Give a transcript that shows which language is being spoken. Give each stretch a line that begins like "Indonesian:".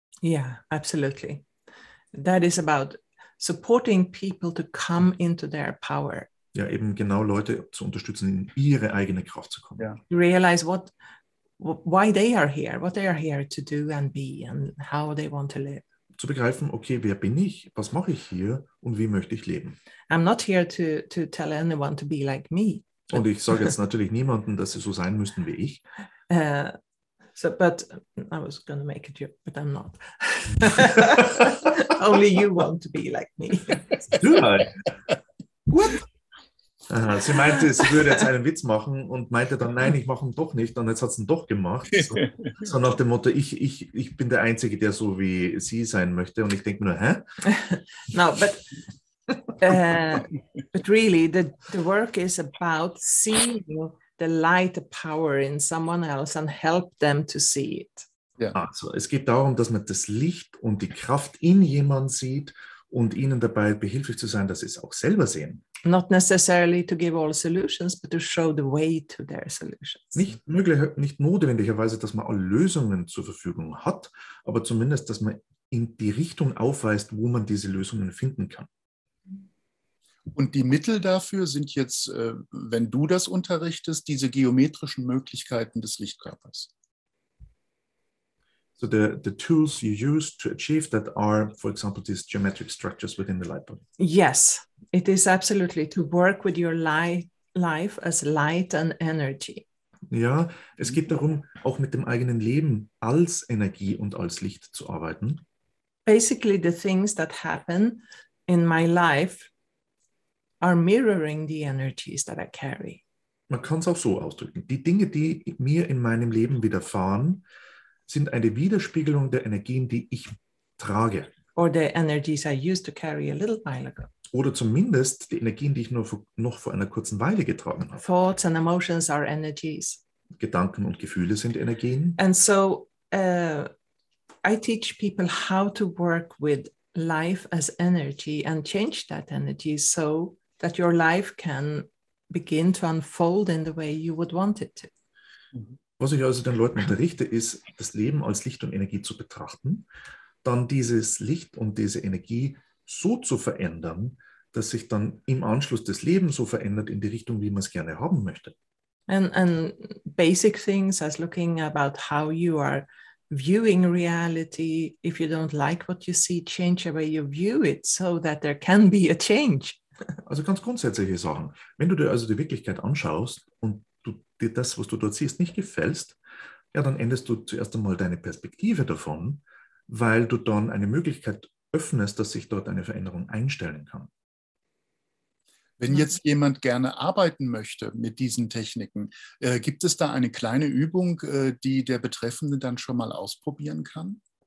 English: Yeah, absolutely. That is about supporting people to come into their power.
German: Ja, eben genau Leute zu unterstützen, in ihre eigene Kraft zu kommen.
English: Yeah. Realize why they are here, what they are here to do and be and how they want to live.
German: Zu begreifen, okay, wer bin ich, was mache ich hier und wie möchte ich leben?
English: I'm not here to tell anyone to be like me.
German: Und ich sage jetzt natürlich niemanden, dass sie so sein müssten wie ich.
English: But I was going to make a joke, but I'm not. Only you want to be like me. Do I? What?
German: Aha, sie meinte, sie würde jetzt einen Witz machen und meinte dann, nein, ich mache ihn doch nicht. Und jetzt hat sie ihn doch gemacht. So nach dem Motto, ich bin der Einzige, der so wie sie sein möchte. Und ich denke mir nur, hä?
English: No, but really, the work is about seeing the light, the power in someone else and help them to see it. Yeah.
German: Also, es geht darum, dass man das Licht und die Kraft in jemanden sieht und ihnen dabei behilflich zu sein, dass sie es auch selber sehen.
English: Not necessarily to give all solutions, but to show the way to their solutions.
German: Nicht notwendigerweise, dass man alle Lösungen zur Verfügung hat, aber zumindest, dass man in die Richtung aufweist, wo man diese Lösungen finden kann. Und die Mittel dafür sind jetzt, wenn du das unterrichtest, diese geometrischen Möglichkeiten des Lichtkörpers.
English: So the tools you use to achieve that are, for example, these geometric structures within the light body. Yes, it is absolutely to work with your life as light and energy.
German: Ja, es geht darum, auch mit dem eigenen Leben als Energie und als Licht zu arbeiten.
English: Basically, the things that happen in my life are mirroring the energies that I carry.
German: Man kann es auch so ausdrücken. Die Dinge, die mir in meinem Leben widerfahren, sind eine Widerspiegelung der Energien, die ich trage.
English: Or the energies I used to carry a little while ago.
German: Oder zumindest die Energien, die ich nur noch vor einer kurzen Weile getragen habe.
English: Thoughts and emotions are energies.
German: Gedanken und Gefühle sind Energien.
English: And so I teach people how to work with life as energy and change that energy so that your life can begin to unfold in the way you would want it to.
German: Was ich also den Leuten unterrichte, ist, das Leben als Licht und Energie zu betrachten, dann dieses Licht und diese Energie so zu verändern, dass sich dann im Anschluss das Leben so verändert in die Richtung, wie man es gerne haben möchte.
English: And basic things as looking about how you are viewing reality. If you don't like what you see, change the way you view it so that there can be a change.
German: Also ganz grundsätzliche Sachen. Wenn du dir also die Wirklichkeit anschaust und du dir das, was du dort siehst, nicht gefällst, ja, dann änderst du zuerst einmal deine Perspektive davon, weil du dann eine Möglichkeit öffnest, dass sich dort eine Veränderung einstellen kann. Wenn jetzt jemand gerne arbeiten möchte mit diesen Techniken, gibt es da eine kleine Übung, die der Betreffende dann schon mal ausprobieren kann?